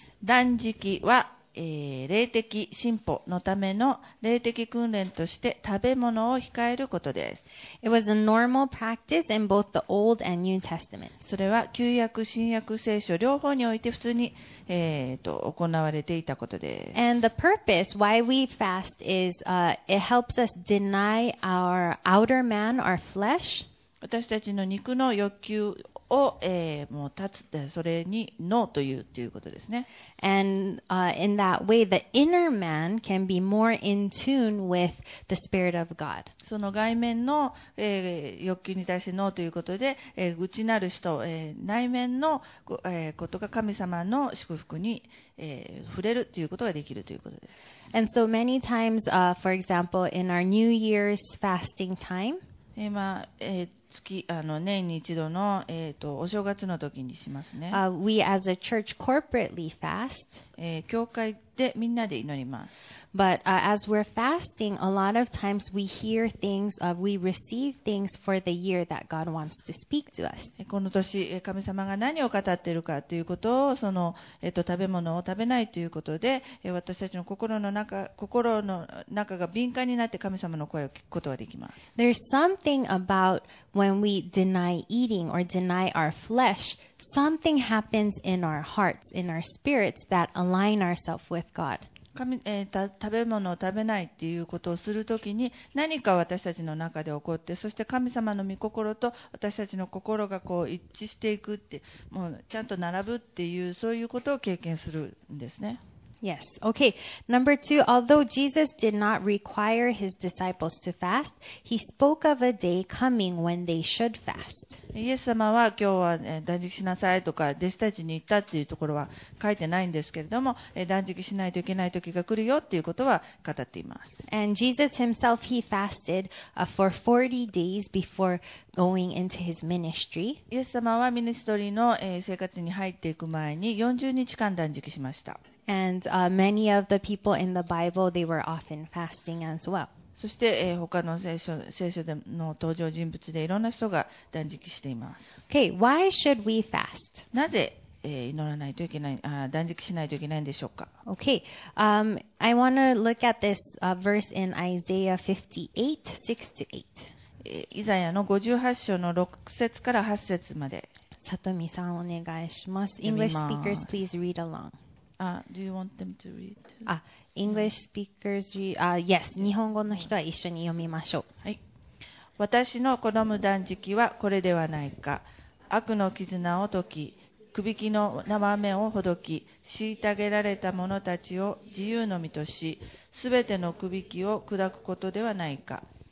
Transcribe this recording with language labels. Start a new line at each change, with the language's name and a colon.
Japanese: 断食は霊的進歩のための霊的訓練として食べ物を控えることです。
English: It was a normal practice in both the Old and New Testament.
Japanese: それは旧約新約聖書両方において普通に行われていたことです。
English: And the purpose why we fast is it helps us deny our outer man, our flesh.
Japanese: 私たちの肉の欲求を、もう立つ、それにノーというということですね。
English: And in that way, the inner man can be more in tune with the spirit of God.
Japanese: その外面の、欲求に対してノーということで、内なる人、内面の、ことが神様の祝福に、触れるということができるということです。
English: And so many times, for example, in our New Year's fasting time.
Japanese: 今、年に一度の、お正月の時にしますね。
English: We as a church corporately fast.
Japanese: 教会でみんなで祈ります。
English: But as we're fasting, a lot of times we hear things, we receive things for the year that God wants to speak to us.
Japanese: この年、神様が何を語っているかということを、その、食べ物を食べないということで、私たちの心の中が敏感になって神様の声を聞くことができます。
English: There's something about when we deny eating or deny our flesh, something happens in our hearts, in our spirits that align ourselves with God.
Japanese: 食べ物を食べないっていうことをするときに何か私たちの中で起こって、そして神様の御心と私たちの心がこう一致していくって、もうちゃんと並ぶっていう、そういうことを経験するんですね。
English: Yes, okay. Number two, although Jesus did not require his disciples to fast, he spoke of a day coming when they should fast.
Japanese: イエス様は今日は断食しなさいとか弟子たちに言ったっていうところは書いてないんですけれども、断食しないといけない時が来るよっていうことは語っています。
English: And Jesus himself, he fasted for 40 days before going into his ministry.
Japanese: イエス様はミニストリーの生活に入っていく前に40日間断食しました。
English: And many of the people in the Bible, they were often fasting as well.
Japanese: そして、他の聖書での登場人物でいろんな人が断食しています。
English: Okay, why should we fast?
Japanese: なぜ、祈らないといけない、断食しないといけないんでしょうか。
English: Okay, I want to look at this verse in Isaiah 58:6-8.
Japanese: イザヤの58章の6節から8節まで。さとみさんお願いします。
English: English speakers, please read along. Do you want them to read? English speakers, yes,
Japanese: 日本語の人は一緒に読みましょう。はい。私の好む断食はこれではないか。悪の絆を解き、くびきの縄目をほどき、虐げられた者たちを自由の身とし、すべてのくびきを砕くことではないか。